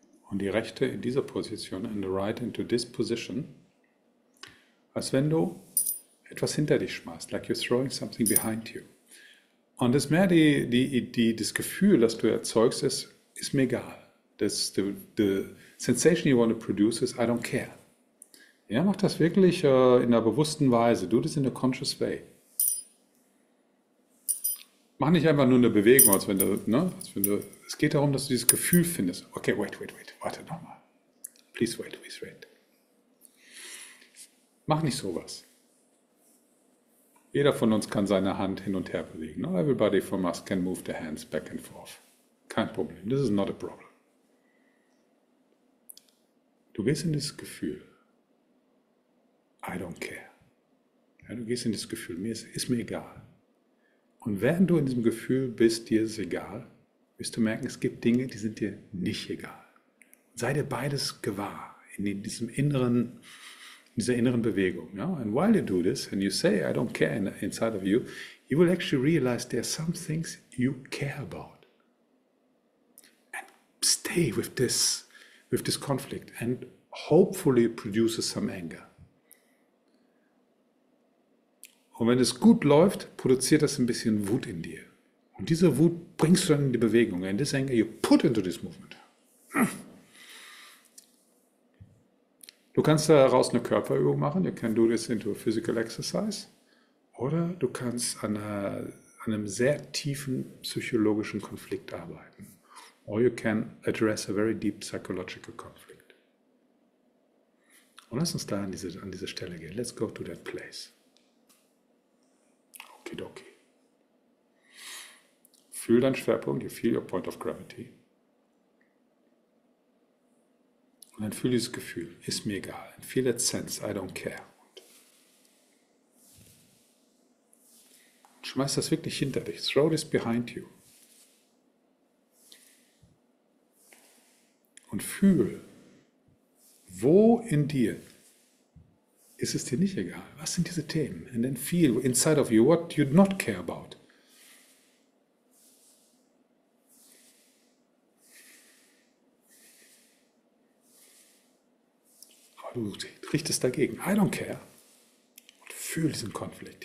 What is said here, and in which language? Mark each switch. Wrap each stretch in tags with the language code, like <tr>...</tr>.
<de>Und die rechte in dieser Position</de> <en>and the right into this position.</en> <de>Als wenn du etwas hinter dich schmeißt.</de> <en>Like you're throwing something behind you.</en> <de>Und es ist mehr das Gefühl, das du erzeugst, ist mir egal.</de> <en>The sensation you want to produce is I don't care.</en> <de>Ja, mach das wirklich in einer bewussten Weise.</de> <en>Do this in a conscious way.</en> <de>Mach nicht einfach nur eine Bewegung, als wenn du, ne, als wenn du, es geht darum, dass du dieses Gefühl findest.</de> <en>Okay, wait,</en> <de>warte nochmal.</de> <en>Please wait.</en> <de>Mach nicht sowas. Jeder von uns kann seine Hand hin und her bewegen.</de> <en>Not everybody from us can move their hands back and forth.</en> <de>Kein Problem.</de> <en>This is not a problem.</en> <de>Du gehst in das Gefühl.</de> <en>I don't care.</en> <de>Ja, du gehst in das Gefühl. Ist mir egal. Und während du in diesem Gefühl bist, dir ist egal, wirst du merken, es gibt Dinge, die sind dir nicht egal. Sei dir beides gewahr in dieser inneren Bewegung. Ja?</de> <en>And while you do this and you say, I don't care inside of you, you will actually realize there are some things you care about. And stay with this conflict and hopefully produces some anger.</en> <de>Und wenn es gut läuft, produziert das ein bisschen Wut in dir. Und diese Wut bringst du dann in die Bewegung.</de> <en>And this anger you put into this movement.</en> <de>Du kannst daraus eine Körperübung machen.</de> <en>You can do this into a physical exercise.</en> <de>Oder du kannst an einem sehr tiefen psychologischen Konflikt arbeiten.</de> <en>Or you can address a very deep psychological conflict.</en> <de>Und lass uns da an diese Stelle gehen.</de> <en>Let's go to that place. Okay.</en> <de>Fühl deinen Schwerpunkt,</de> <en>you feel your point of gravity.</en> <de>Und dann fühl dieses Gefühl, ist mir egal.</de> <en>And feel that sense, I don't care.</en> <de>Und schmeiß das wirklich hinter dich.</de> <en>Throw this behind you.</en> <de>Und fühl, wo in dir ist es dir nicht egal? Was sind diese Themen?</de> <en>And then feel inside of you what you not care about.</en> <de>Aber du richtest dagegen.</de> <en>I don't care.</en> <de>Und fühl diesen Konflikt.</de>